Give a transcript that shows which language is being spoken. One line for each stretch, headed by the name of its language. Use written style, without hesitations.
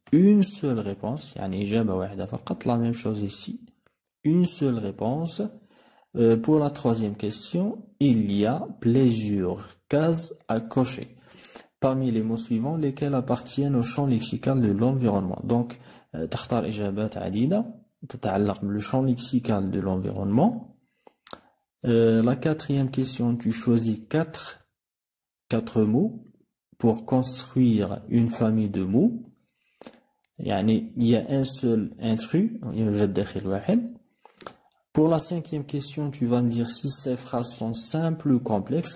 French: Une seule réponse. يعني إجابة واحدة فقط. La même chose ici. Une seule réponse. Pour la troisième question, il y a plusieurs cases à cocher. Parmi les mots suivants, lesquels appartiennent au champ lexical de l'environnement.
Arabic: Donc, تختار إجابات عديدة تتعلق بالشان لكسيكال de l'environnement.
French: La quatrième question, tu choisis quatre mots pour construire une famille de mots. يعني, il y a un seul intrus, il y a un jet d'écrit واحد. Pour la cinquième question, tu vas me dire si ces phrases sont simples ou complexes.